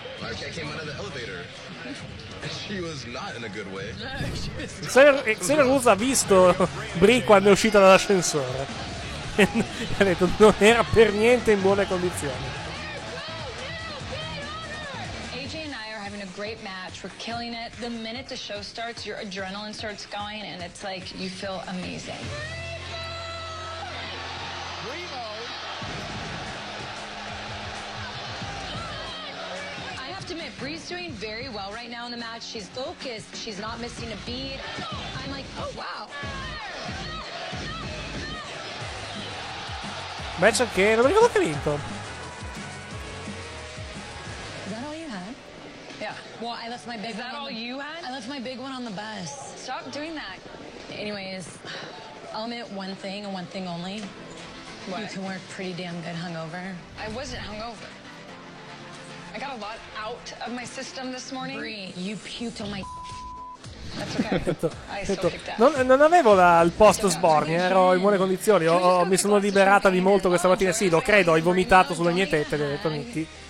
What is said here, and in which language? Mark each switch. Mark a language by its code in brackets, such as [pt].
[it] Xavier Woods ha visto Brie quando è uscita dall'ascensore e ha detto non era per niente in buone condizioni. [en] AJ and I are having a great match. We're killing it. The minute the show starts, your adrenaline starts going and it's like you feel amazing. Bree's doing very well right now in the match. She's focused. She's not missing a beat. I'm like, oh wow. [it] Match che non mi ricordo che ha vinto. [en] Is that all you had? Yeah. Well, I left my big one. Is that all you had? I left my big one on the bus. Stop doing that. Anyways, I'll admit one thing and one thing only. What? You can work pretty damn good hungover. I wasn't hungover. I got a lot out of my system this morning. Brie, you puked on my... That's okay. [it] non avevo il posto sborni, ero in buone condizioni. Mi sono liberata di molto questa mattina. Sì, lo credo, hai vomitato sulle mie tette, ho detto Nicky.